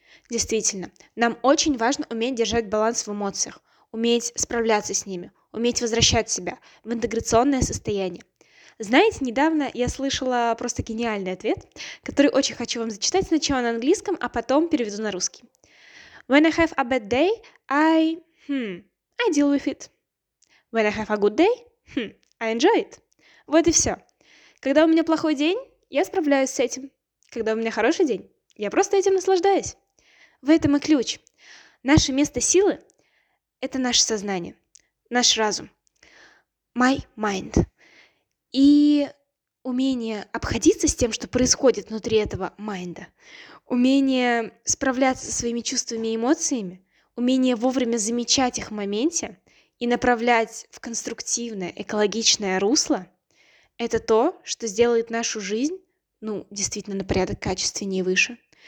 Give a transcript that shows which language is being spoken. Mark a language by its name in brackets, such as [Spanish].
[Russian] Действительно, нам очень важно уметь держать баланс в эмоциях, уметь справляться с ними, уметь возвращать себя в интеграционное состояние. Знаете, недавно я слышала просто гениальный ответ, который очень хочу вам зачитать сначала на английском, а потом переведу на русский. [English] When I have a bad day, I deal with it. When I have a good day, I enjoy it. [Russian] Вот и все. Когда у меня плохой день, я справляюсь с этим. Когда у меня хороший день, я просто этим наслаждаюсь. В этом и ключ. Наше место силы – это наше сознание, наш разум. [English] My mind. [Russian] И умение обходиться с тем, что происходит внутри этого майнда, умение справляться со своими чувствами и эмоциями, умение вовремя замечать их в моменте и направлять в конструктивное, экологичное русло – это то, что сделает нашу жизнь, ну, действительно, на порядок качественнее и выше.